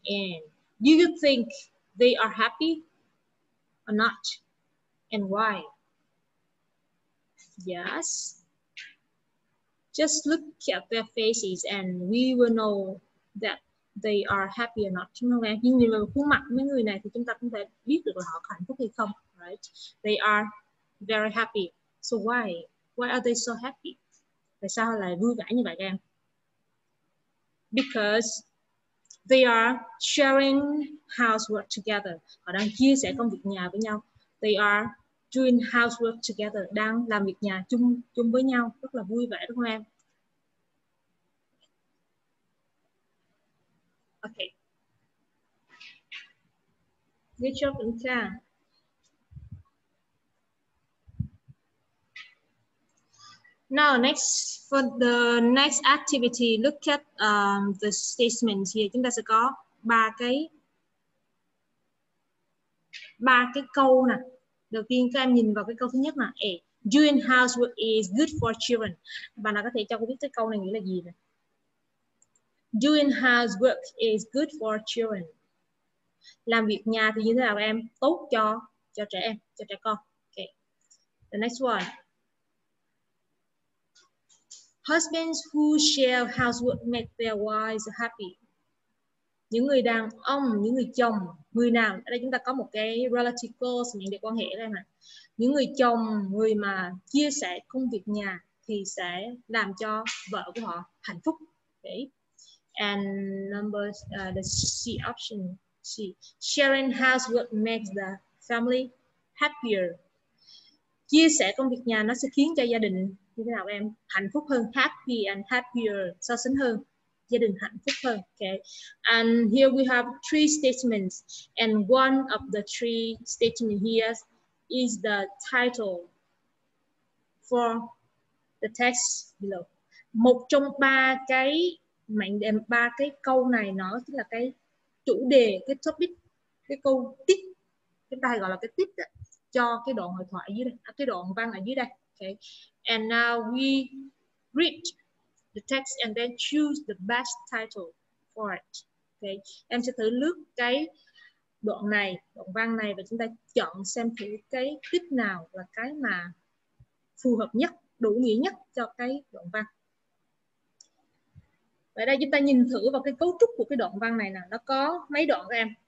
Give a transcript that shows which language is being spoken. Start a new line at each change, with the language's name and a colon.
English: And do you think they are happy or not, and why? Yes. Just look at their faces and we will know that they are happy or not.
Vietnamese: Chúng ta nhìn vào khuôn mặt mấy người này thì chúng ta cũng phải biết được là họ hạnh phúc hay không, right?
English: They are very happy. So why? Why are they so happy?
Vietnamese: Tại sao họ lại vui vẻ như vậy các em?
English: Because they are sharing housework together.
Vietnamese: Họ đang chia sẻ công việc nhà với nhau.
English: They are doing housework together.
Vietnamese: Đang làm việc nhà chung với nhau. Rất là vui vẻ đúng không em?
English: Okay. Good job, Anita. Now, next, for the next activity, look at the statement here.
Vietnamese: Chúng ta sẽ có ba cái câu nè. Đầu tiên các em nhìn vào cái câu thứ nhất là A.
English: Doing housework is good for children.
Vietnamese: Bạn nào có thể cho cô biết cái câu này nghĩa là gì nè?
English: Doing housework is good for children.
Vietnamese: Làm việc nhà thì như thế nào em? Tốt cho trẻ em, cho trẻ con. Okay.
English: The next one. Husbands who share housework make their wives happy.
Vietnamese: Những người đàn ông, những người chồng, người nào? Ở đây chúng ta có một cái relative clause, những điều quan hệ đây mà. Những người chồng, người mà chia sẻ công việc nhà thì sẽ làm cho vợ của họ hạnh phúc.
English: Okay. And number the C option. C. Sharing housework makes the family happier.
Vietnamese: Chia sẻ công việc nhà nó sẽ khiến cho gia đình như thế nào em? Hạnh phúc hơn, happy and happier, so sánh hơn, gia đình hạnh phúc hơn.
English: Okay. And here we have three statements. And one of the three statements here is the title for the text below.
Vietnamese: Một trong ba cái mệnh đề, ba cái câu này nó chính là cái chủ đề, cái topic, cái câu tiếp, chúng ta gọi là cái tiếp cho cái đoạn hội thoại dưới đây, cái đoạn văn ở dưới đây.
English: Okay. And now we read the text and then choose the best title for it. Okay.
Vietnamese: Em sẽ thử lướt cái đoạn này, đoạn văn này và chúng ta chọn xem thử cái tiếp nào là cái mà phù hợp nhất, đủ nghĩa nhất cho cái đoạn văn. Ở đây chúng ta nhìn thử vào cái cấu trúc của cái đoạn văn này nè. Nó có mấy đoạn các em?